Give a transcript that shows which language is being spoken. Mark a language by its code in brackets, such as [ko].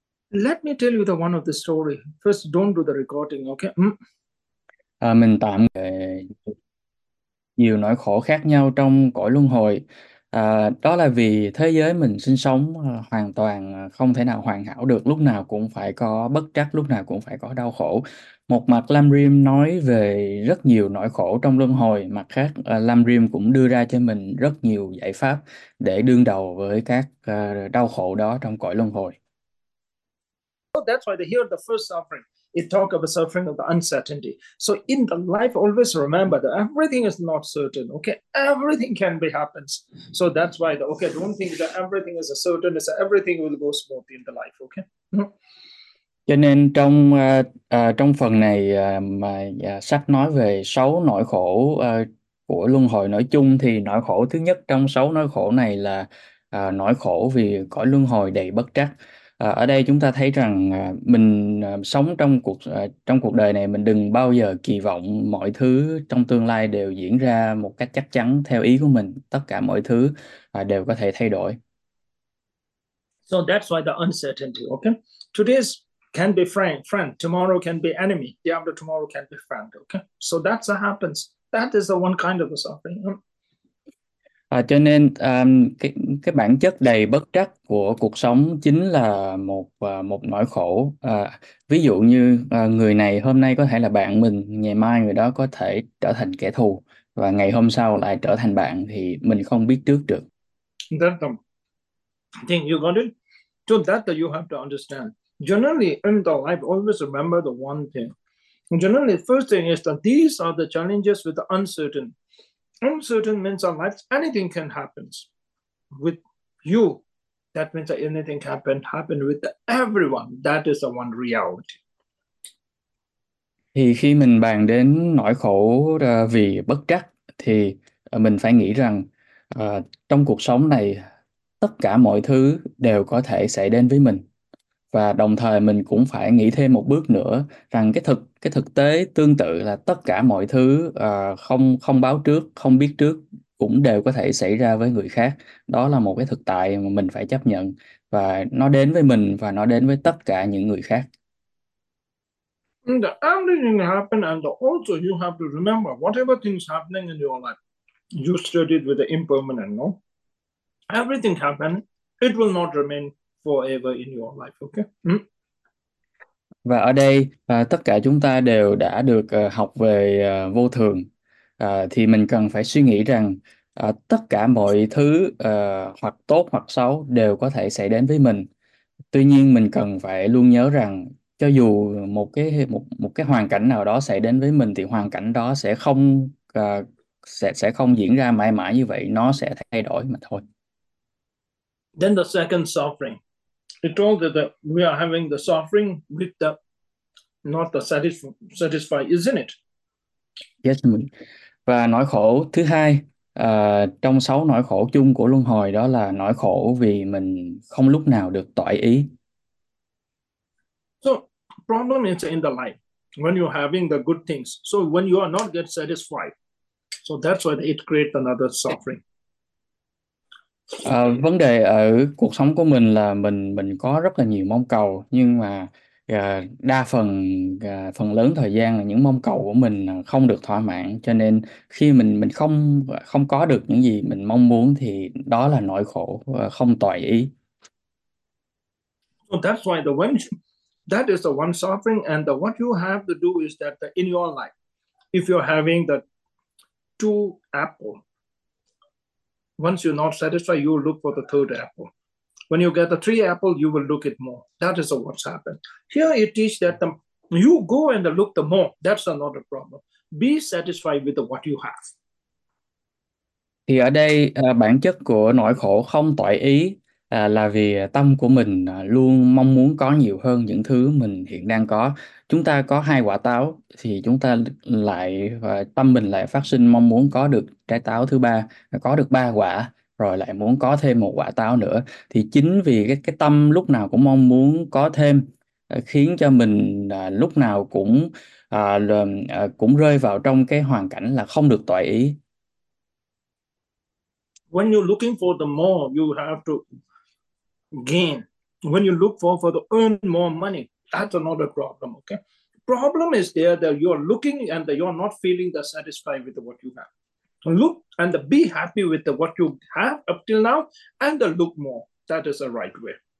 [en] Let me tell you the one of the story. First, don't do the recording, okay? [vi] Mình tạm kể nhiều nỗi khổ khác nhau trong cõi luân hồi. Đó là vì thế giới mình sinh sống hoàn toàn không thể nào hoàn hảo được, lúc nào cũng phải có bất trắc, lúc nào cũng phải có đau khổ. Một mặt Lam Rim nói về rất nhiều nỗi khổ trong luân hồi, mặt khác Lam Rim cũng đưa ra cho mình rất nhiều giải pháp để đương đầu với các đau khổ đó trong cõi luân hồi. [en] So that's why they hear the first suffering. It talk of the suffering of the uncertainty. So in the life, always remember that everything is not certain. Okay, everything can be happens. So that's why the okay, don't think that everything is a certain. It's everything will go smoothly in the life. Okay. [vi] Cho nên trong trong phần này mà sách nói về sáu nỗi khổ của luân hồi nói chung, thì nỗi khổ thứ nhất trong sáu nỗi khổ này là nỗi khổ vì cõi luân hồi đầy bất trắc. Ở đây chúng ta thấy rằng mình sống trong cuộc đời này, mình đừng bao giờ kỳ vọng mọi thứ trong tương lai đều diễn ra một cách chắc chắn theo ý của mình. Tất cả mọi thứ đều có thể thay đổi. [en] So that's why the uncertainty, okay? Today can be friend, tomorrow can be enemy, the after tomorrow can be friend, okay? So that's what happens. That is the one kind of the suffering. [vi] Cho nên cái bản chất đầy bất trắc của cuộc sống chính là một nỗi khổ. Ví dụ như người này hôm nay có thể là bạn mình, ngày mai người đó có thể trở thành kẻ thù, và ngày hôm sau lại trở thành bạn, thì mình không biết trước được. [en] Thing you got it? So that you have to understand. Generally in the life, always remember the one thing. Generally, first thing is that these are the challenges with the uncertain. Uncertain means our lives, anything can happen with you. That means that anything can happen with everyone. That is the one reality. [vi] Thì khi mình bàn đến nỗi khổ vì bất trắc, thì mình phải nghĩ rằng trong cuộc sống này, tất cả mọi thứ đều có thể xảy đến với mình. Và đồng thời mình cũng phải nghĩ thêm một bước nữa rằng cái thực tế tương tự là tất cả mọi thứ không không báo trước, không biết trước cũng đều có thể xảy ra với người khác. Đó là một cái thực tại mà mình phải chấp nhận và nó đến với mình và nó đến với tất cả những người khác. [en] And the everything happen, and also you have to remember whatever things happening in your life, you studied with the impermanent, no? Everything happen, it will not remain forever in your life, okay? [vi] Và ở đây tất cả chúng ta đều đã được học về vô thường, thì mình cần phải suy nghĩ rằng tất cả mọi thứ hoặc tốt hoặc xấu đều có thể xảy đến với mình. Tuy nhiên mình cần phải luôn nhớ rằng cho dù một cái một cái hoàn cảnh nào đó xảy đến với mình thì hoàn cảnh đó sẽ không sẽ không diễn ra mãi mãi như vậy, nó sẽ thay đổi mà thôi. [en] Then the second suffering. It told that we are having the suffering with the not the satisfy, isn't it? Yes. [vi] Và nỗi khổ thứ hai trong sáu nỗi khổ chung của luân hồi đó là nỗi khổ vì mình không lúc nào được toại ý. [en] So problem is in the life when you're having the good things. So when you are not get satisfied, so that's why it creates another suffering. [vi] Vấn đề ở cuộc sống của mình là mình có rất là nhiều mong cầu, nhưng mà đa phần phần lớn thời gian là những mong cầu của mình không được thỏa mãn, cho nên khi mình không không có được những gì mình mong muốn thì đó là nỗi khổ không toại ý. [en] So that's why the one that is the one suffering, and the what you have to do is that the, in your life, if you're having the two apple, once you're not satisfied, you will look for the third apple. When you get the three apple, you will look it more. That is what's happened. Here it teaches that the, you go and look the more. That's not a problem. Be satisfied with the, what you have. [vi] Thì ở đây bản chất của nỗi khổ không toại ý là vì tâm của mình luôn mong muốn có nhiều hơn những thứ mình hiện đang có. Chúng ta có hai quả táo thì chúng ta lại tâm mình lại phát sinh mong muốn có được trái táo thứ ba, có được ba quả rồi lại muốn có thêm một quả táo nữa. Thì chính vì cái tâm lúc nào cũng mong muốn có thêm khiến cho mình lúc nào cũng cũng rơi vào trong cái hoàn cảnh là không được toại ý. [en] When you're looking for the more, you have to gain. When you look for the earn more money, that's another problem, okay? Problem is there that you're looking and you're not feeling the satisfied with what you have. Look and be happy with what you have up till now and look more. That is the right way.